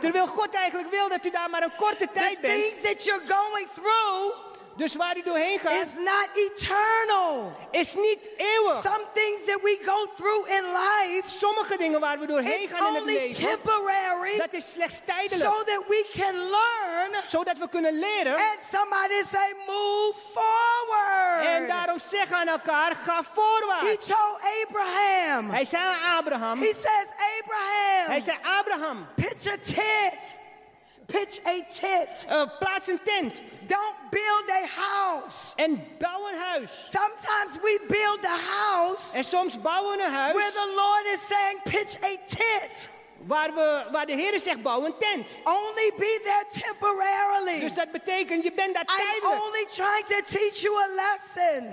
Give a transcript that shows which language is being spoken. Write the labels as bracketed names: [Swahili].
[Dutch] Terwijl God eigenlijk wil dat u daar maar een korte tijd bent. [English] The things that you're going through. [Dutch] Dus waar u doorheen gaat. [English] Is not eternal. [Dutch] Is niet eeuwig. [English] Some things that we go through in life. [Dutch] Sommige dingen waar we doorheen gaan in het leven. [English] It's only temporary. [Dutch] Dat is slechts tijdelijk. [English] So that we can learn. [Dutch] Zodat we kunnen leren. [English] And somebody say move forward. [Dutch] En daarom zeggen aan elkaar ga voorwaarts. [English] He told Abraham. [Dutch] Hij zei aan Abraham. [English] He says Abraham. [Dutch] Hij zei Abraham. [English] Pitch a tent. Pitch a tent. [Dutch] Plaats een tent. [English] Don't build a house. [Dutch] En bouw een huis. [English] Sometimes we build a house. [Dutch] En soms bouwen een huis. [English] Where the Lord is saying, pitch a tent. [Dutch] Waar de Heer zegt, bouw een tent. [English] Only be there temporarily. [Dutch] Dus dat betekent, je bent daar tijdelijk. [English] I'm only trying to teach you a lesson.